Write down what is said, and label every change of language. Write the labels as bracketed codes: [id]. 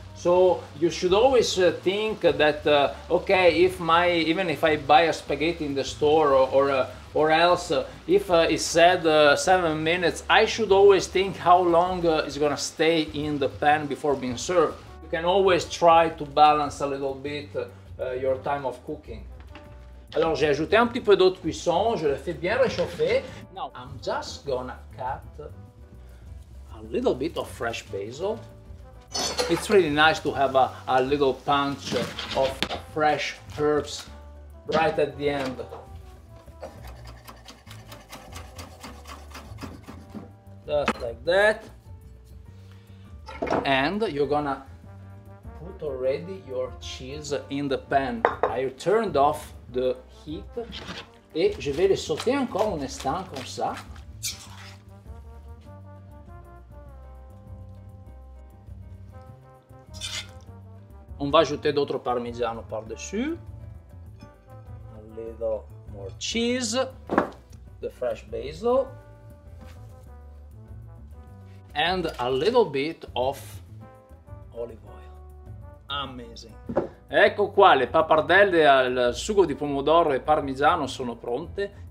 [en] So you should always think that, okay, even if I buy a spaghetti in the store or else if it said 7 minutes, I should always think how long it's gonna stay in the pan before being served. You can always try to balance a little bit your time of cooking. [fr] Alors j'ai ajouté un petit peu d'eau de cuisson, je l'ai fait bien réchauffer. [en] Now I'm just gonna cut a little bit of fresh basil. It's really nice to have a little punch of fresh herbs right at the end. Just like that. And you're gonna put already your cheese in the pan. I turned off the heat [fr] et je vais le sauter encore un instant comme ça. On va ajouter d'autres parmigiano par-dessus. [en] A little more cheese, the fresh basil, and a little bit of olive oil. Amazing! [it] Ecco qua, le pappardelle al sugo di pomodoro e parmigiano sono pronte.